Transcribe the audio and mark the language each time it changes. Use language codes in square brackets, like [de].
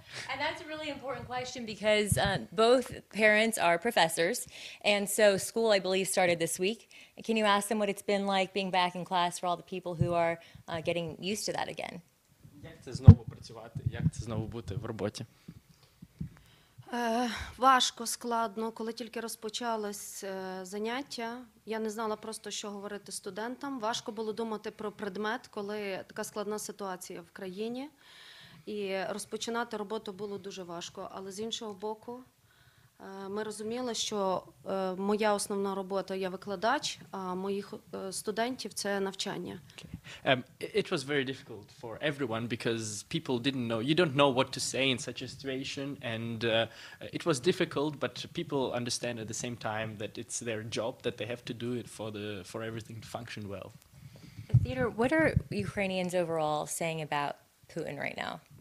[en] And that's a really important question, because both parents are professors, and so school, I believe, started this week. Can you ask them what it's been like being back in class for all the people who are getting used to that again? [uk] Як це знову працювати? Як це знову бути в роботі? Важко, складно, коли тільки розпочалось заняття. Я не знала просто, що говорити студентам. Важко було думати про предмет, коли така складна ситуація в країні. І розпочинати роботу було дуже важко. Але з іншого боку, ми розуміли, що моя основна робота – я викладач, а моїх студентів – це навчання. [en] It was very difficult for everyone, because people didn't know, you don't know what to say in such a situation, and it was difficult, but people understand at the same time that it's their job, that they have to do it for everything to function well. Theodore, what are Ukrainians overall saying about Putin right now?